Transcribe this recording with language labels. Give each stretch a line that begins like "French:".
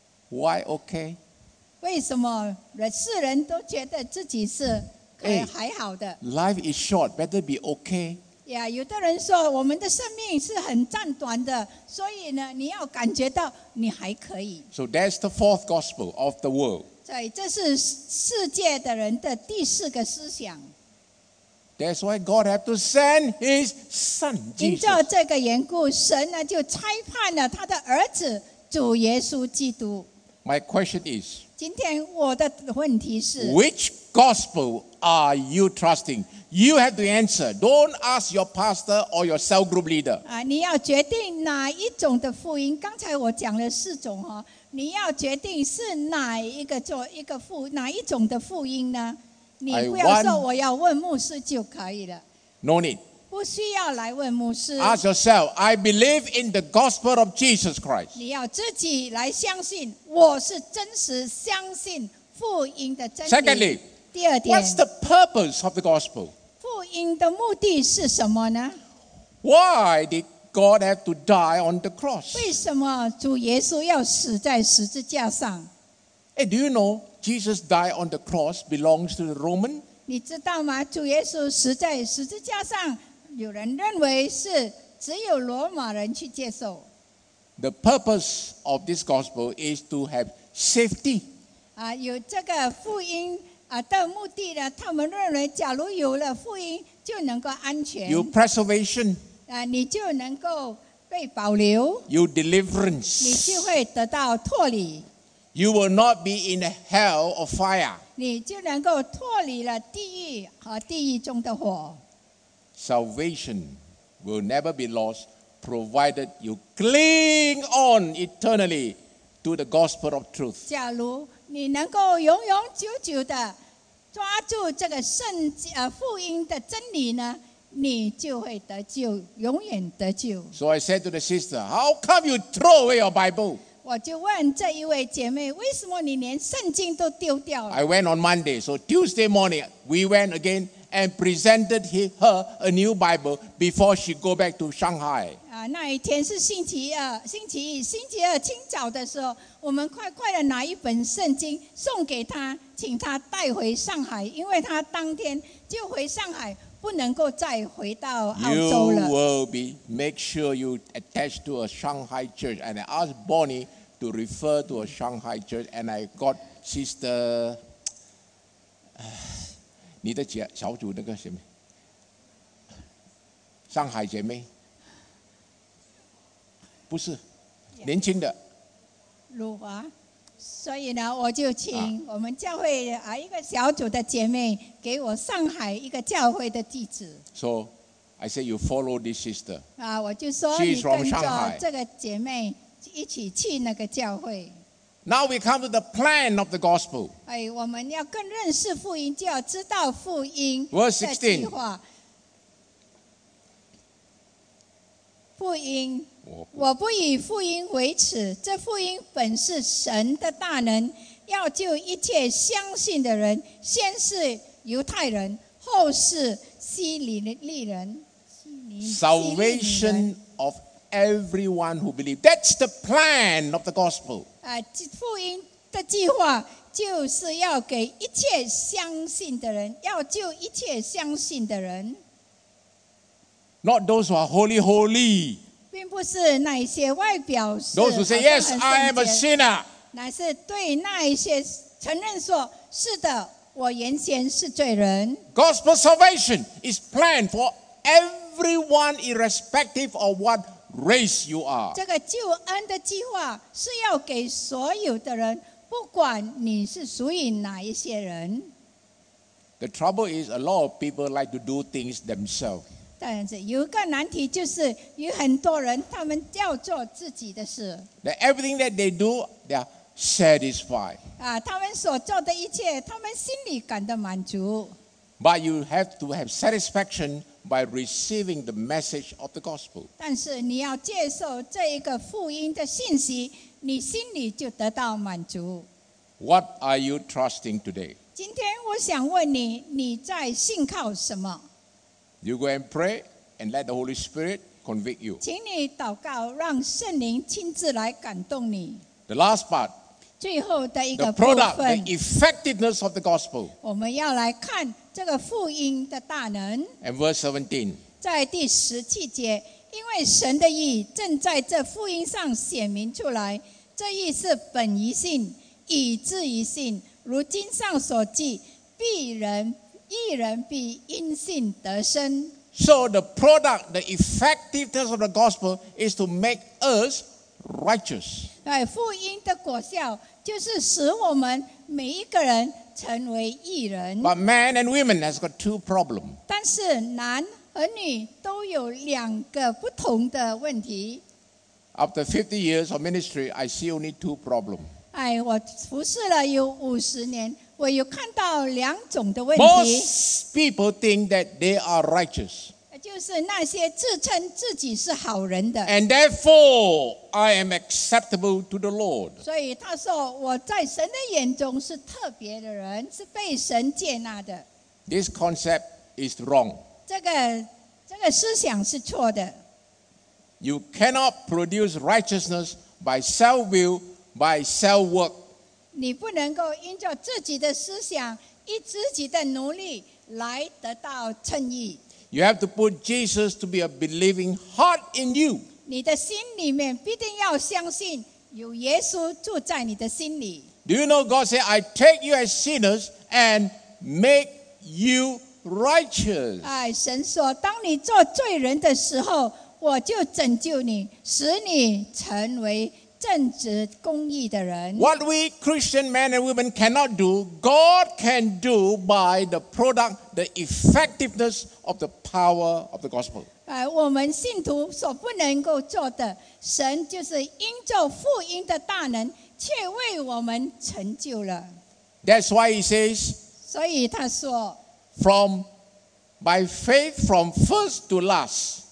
English: Why okay?
Chinese: 为什么世人都觉得自己是可以还好的？
English: Life is short, better be okay.
Chinese: Yeah, 有的人说我们的生命是很暂短的，所以呢，你要感觉到你还可以。
English: So that's the fourth gospel of the world.
Chinese: 所以这是世界的人的第四个思想。
English: That's why God had to send His Son.
Chinese: 因着这个缘故，神呢就差派了他的儿子主耶稣基督。
English: My question is.
Chinese: 今天我的问题是。
English: Which gospel are you trusting? You have to answer. Don't ask your pastor or your cell group leader.
Chinese: 你要决定哪一种的福音？刚才我讲了四种哦。你要决定是哪一个做一个福哪一种的福音呢？你不要说我要问牧师就可以了。
English: No need.
Chinese: 不需要来问牧师。
English: Ask yourself. I believe in the gospel of Jesus Christ.
Chinese: 你要自己来相信，我是真实相信福音的真理。
English: Secondly,
Chinese: 第二点
English: ，What's the purpose of the gospel?
Chinese: 福音的目的是什么呢
English: ？Why did God had to die on the cross.
Chinese: 为什么主耶稣要死在十字架上
English: ？Hey, do you know Jesus died on the cross belongs to the Roman?
Chinese: 你知道吗？主耶稣死在十字架上，有人认为是只有罗马人去接受。
English: The purpose of this gospel is to have safety.
Chinese: 有这个福音的目的呢？他们认为，假如有了福音，就能够安全。
English: 有 preservation.
Chinese: 你就能够被保留
English: you deliverance
Chinese: 你就会得到脱离
English: you will not be in a hell of fire
Chinese: 你就能够脱离了地狱和地狱中的火
English: salvation will never be lost provided you cling on eternally to the gospel of truth
Chinese: 假如你能够永永久久的抓住这个圣福音的真理呢你就会得救，永远得救。
English: So I said to the sister, "How come you throw away your Bible?"
Chinese: 我就问这一位姐妹，为什么你连圣经都丢掉了
English: ？I went on Monday, so Tuesday morning we went again and presented her a new Bible before she go back to Shanghai.
Chinese: 那一天是星期二，星期一，星期二清早的时候，我们快快的拿一本圣经送给她，请她带回上海，因为她当天就回上海。不能够再回到澳洲了。
English: You will be make sure you attach to a Shanghai church, and I asked Bonnie to refer to a Shanghai church, and I got Sister,
Chinese: 你的姐小组那个姐妹，上海姐妹，不是年轻的，鲁华。所以呢，我就请我们教会一个小组的姐妹给我上海一个教会的地址。
English: So, I say you follow this sister.
Chinese: 我就说你跟着这个姐妹一起去那个教会。
English: Now we come to the plan of the gospel.
Chinese: 我们要更认识福音，就要知道福音的计划。福音。我不以福音为耻，这福音本是神的大能，要救一切相信的人，先是犹太人，后是希利利人。
English: Salvation of everyone who believes. That's the plan of the gospel.
Chinese: 福音的计划就是要给一切相信的人，要救一切相信的人。
English: Not those who are holy, holy.
Chinese: 并不是那些外表是
English: Those who say, yes, I am a sinner.
Chinese: 乃是对那些承认说是的我原先是罪人
English: Gospel salvation is planned for everyone irrespective of what race you are.
Chinese: 这个救恩的计划是要给所有的人不管你是属于哪一些人
English: The trouble is a lot of people like to do things themselves.
Chinese: 但是有一个难题就是有很多人他们要做自己的事
English: that Everything that they do, they are satisfied.
Chinese: 他们所做的一切他们心里感到满足
English: But you have to have satisfaction by receiving the message of the gospel.
Chinese: 但是你要接受这一个福音的信息你心里就得到满足。
English: What are you trusting today?
Chinese: 今天我想问你，你在信靠什么？
English: You go and pray and let the Holy Spirit convict you.
Chinese: 请你祷告，让圣灵亲自来感动你。
English: The last part.
Chinese: 最后的一个部分。
English: The product, the effectiveness of the gospel.
Chinese: 我们要来看这个福音的大能。
English: And verse 17.
Chinese: 在第十七节。因为神的义正在这福音上显明出来，这义是本于信，以至于信。如经上所记，必人义人必因信得生。
English: So the product, the effectiveness of the gospel is to make us righteous.
Chinese: 对，福音的果效就是使我们每一个人成为义人。
English: But men and women has got two problems.
Chinese: 但是男儿女都有两个不同的问题。
English: After 50 years of ministry, I see only two problems.
Chinese: 哎，我服侍了有五十年，我有看到两种的问题。
English: Most people think that they are righteous.
Chinese: 就是那些自称自己是好人的。
English: And therefore, I am acceptable to the Lord.
Chinese: 所以他说，我在神的眼中是特别的人，是被神接纳的。
English: This concept is wrong.
Chinese: 这个思想是错的。
English: You cannot produce righteousness by self-will, by self-work.
Chinese: 你不能够因着自己的思想，以自己的努力来得到称义。
English: You have to put Jesus to be a believing heart in you.
Chinese: 你的心里面必定要相信有耶稣住在你的心里。
English: Do you know God said, I take you as sinners and make you righteous.
Chinese: 哎，神说，当你做罪人的时候，我就拯救你，使你成为正直公义的人。
English: What we Christian men and women cannot do, God can do by the product, the effectiveness of the power of the gospel.
Chinese: 哎，我们信徒所不能够做的，神就是因着福音的大能，却为我们成就了。
English: That's why he says.
Chinese: 所以他说。
English: From by faith, from first to last.